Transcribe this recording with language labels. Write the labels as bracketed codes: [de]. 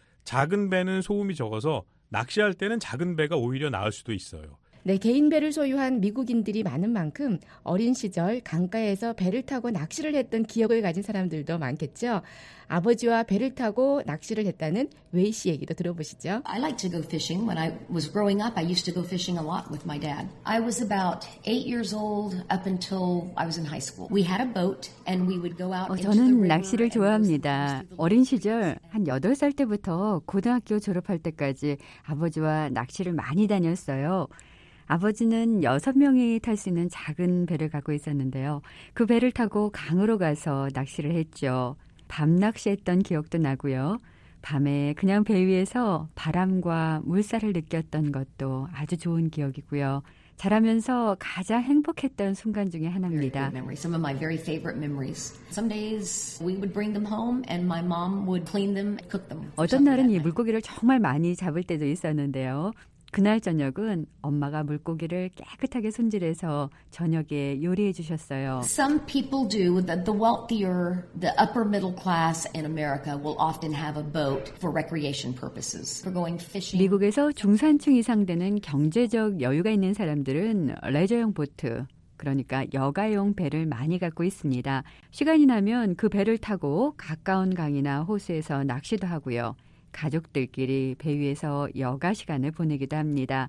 [ko] 작은 배는 소음이 적어서 낚시할 때는 작은 배가 오히려 나을 수도 있어요. 네, 개인 배를 소유한 미국인들이 많은 만큼 어린 시절 강가에서 배를 타고 낚시를 했던 기억을 가진 사람들도 많겠죠. 아버지와 배를 타고 낚시를 했다는 웨이 씨 얘기도 들어보시죠. [en] I like to go fishing. When I was growing up, I used to go fishing a lot with my dad. I was about 8 years old up until I was in high school. We had a boat and we would go out into the river. [ko] 저는 낚시를 좋아합니다. 어린 시절 한 8살 때부터 고등학교 졸업할 때까지 아버지와 낚시를 많이 다녔어요. 아버지는 6명이 탈 수 있는 작은 배를 갖고 있었는데요. 그 배를 타고 강으로 가서 낚시를 했죠. 밤 낚시했던 기억도 나고요. 밤에 그냥 배 위에서 바람과 물살을 느꼈던 것도 아주 좋은 기억이고요. 자라면서 가장 행복했던 순간 중에 하나입니다. [en] Some of my very favorite memories. Some days we would bring them home and my mom would clean them, cook them. [ko] 어떤 날은 이 물고기를 정말 많이 잡을 때도 있었는데요. 그날 저녁은 엄마가 물고기를 깨끗하게 손질해서 저녁에 요리해 주셨어요. [en] Some people do. The wealthier, the upper middle class in America will often have a boat for recreation purposes, for going fishing. [ko] 미국에서 중산층 이상 되는 경제적 여유가 있는 사람들은 레저용 보트, 그러니까 여가용 배를 많이 갖고 있습니다. 시간이 나면 그 배를 타고 가까운 강이나 호수에서 낚시도 하고요. 가족들끼리 배 위에서 여가 시간을 보내기도 합니다.